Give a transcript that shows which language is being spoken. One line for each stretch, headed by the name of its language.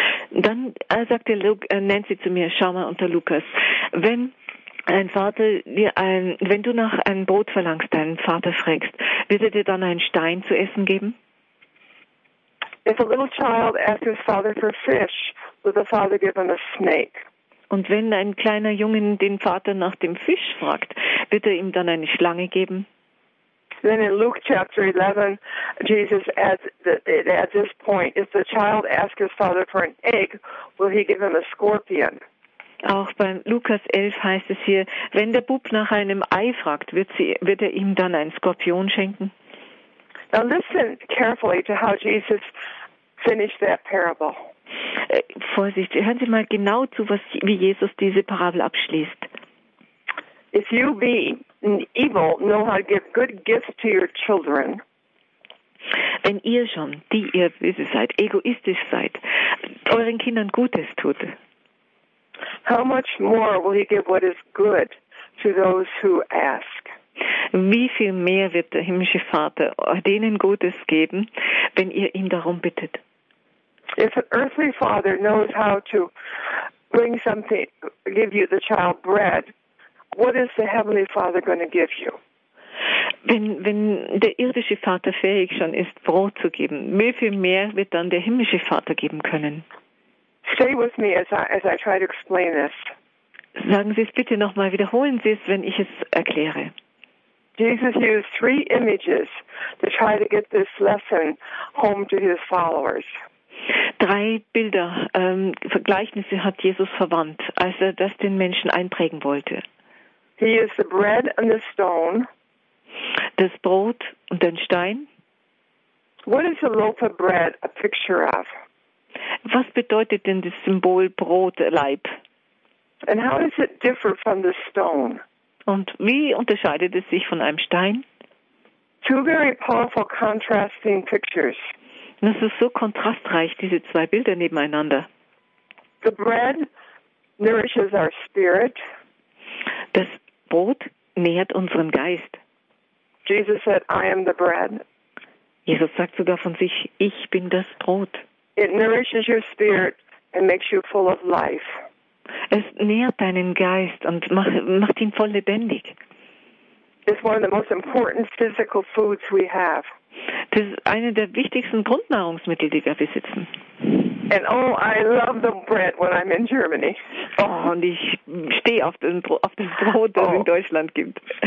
German: Dann sagte Nancy zu mir, schau mal unter Lukas, wenn ein Vater dir wenn du nach einem Brot verlangst, deinen Vater fragst, wird er dir dann einen Stein zu essen geben?
English: If a little child asks his father for fish, will the father give him a snake?
German: Und wenn ein kleiner Junge den Vater nach dem Fisch fragt, wird er ihm dann eine Schlange geben?
English: Then in Luke chapter 11, Jesus adds this point: If the child asks his father for an egg, will he give him a scorpion?
German: Auch bei Lukas 11 heißt es hier: Wenn der Bub nach einem Ei fragt, wird er ihm dann einen Skorpion schenken?
English: Now listen carefully to how Jesus finished that parable.
German: Vorsicht, hören Sie mal genau zu, wie Jesus diese Parabel abschließt.
English: If you be evil, know how to give good gifts to your children.
German: Wenn ihr schon, die ihr böse seid, egoistisch seid, euren Kindern Gutes tut.
English: How much more will he give what is good to those who ask?
German: Wie viel mehr wird der himmlische Vater denen Gutes geben, wenn ihr ihn darum bittet?
English: If an earthly father knows how to bring something, give you the child bread, what is the heavenly father going to give you?
German: Wenn der irdische Vater fähig schon ist, Brot zu geben, wie viel mehr wird dann der himmlische Vater geben können?
English: Stay with me as I try to explain this.
German: Sagen Sie es bitte nochmal, wiederholen Sie es, wenn ich es erkläre.
English: Jesus used three images to try to get this lesson home to his followers.
German: Drei Bilder, Gleichnisse hat Jesus verwandt, als er das den Menschen einprägen wollte.
English: He is the bread and the stone.
German: Das Brot und den Stein.
English: What is a loaf of bread a picture of?
German: Was bedeutet denn das Symbol Brot, Leib?
English: And how does it differ from the stone?
German: Und wie unterscheidet es sich von einem Stein?
English: Two very powerful contrasting pictures.
German: Das ist so kontrastreich, diese zwei Bilder nebeneinander.
English: The bread nourishes our spirit.
German: Das Brot nährt unseren Geist.
English: Jesus said, I am the bread.
German: Jesus sagt sogar von sich, ich bin das Brot.
English: It nourishes your spirit and makes you full of life.
German: Es nährt deinen Geist und macht ihn voll lebendig.
English: It's one of the most important physical foods we have.
German: Das ist eine der wichtigsten Grundnahrungsmittel, die wir besitzen.
English: And oh, I love the bread when I'm in Germany.
German: Oh, und ich stehe auf dem Brot, das in Deutschland gibt.